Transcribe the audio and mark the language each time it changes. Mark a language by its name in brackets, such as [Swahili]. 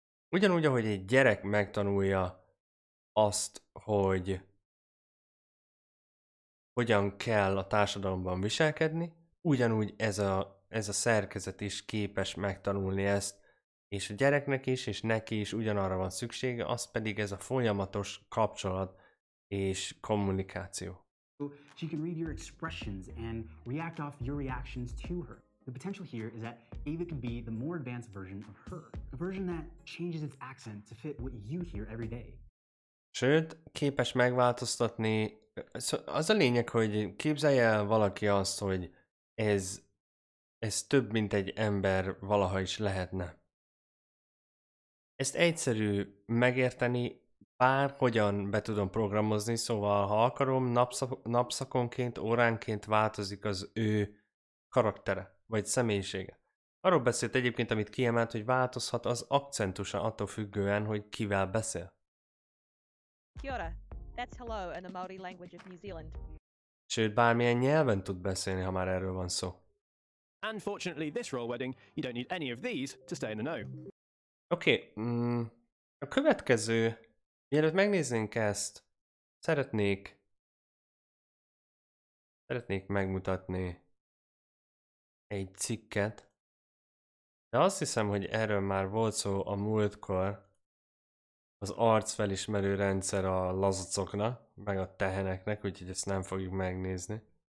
[Hungarian] Ugyanúgy, ahogy egy gyerek megtanulja azt, hogy hogyan kell a társadalomban viselkedni, ugyanúgy ez a szerkezet is képes megtanulni ezt, és a gyereknek is, és neki is ugyanarra van szüksége, az pedig ez a folyamatos kapcsolat és kommunikáció. [English] She can read your expressions and react off your reactions to her. The potential here is that Ava can be the more advanced version of her, a version that changes its accent to fit what you hear every day. [Hungarian] Sőt, képes megváltoztatni. Az a lényeg, hogy képzelje el valaki azt, hogy ez több, mint egy ember valaha is lehetne. Ezt egyszerű megérteni, bárhogyan be tudom programozni, szóval ha akarom, napszakonként, óránként változik az ő karaktere vagy személyisége. Arról beszélt egyébként, amit kiemelt, hogy változhat az akcentusa attól függően, hogy kivel beszél. [Māori] Kia ora. [English] That's hello in the Maori language of New Zealand. [Hungarian] Sőt, bármilyen nyelven tud beszélni, ha már erről van szó. [English] Unfortunately, this royal wedding, you don't need any of these to stay in the know. [Hungarian] Okay, a következő, mielőtt megnéznénk ezt, szeretnék megmutatni egy cikket, de azt hiszem, hogy erről már volt szó a múltkor, az arcfelismerő rendszer a lazacoknak, meg a teheneknek, úgyhogy ezt nem fogjuk megnézni.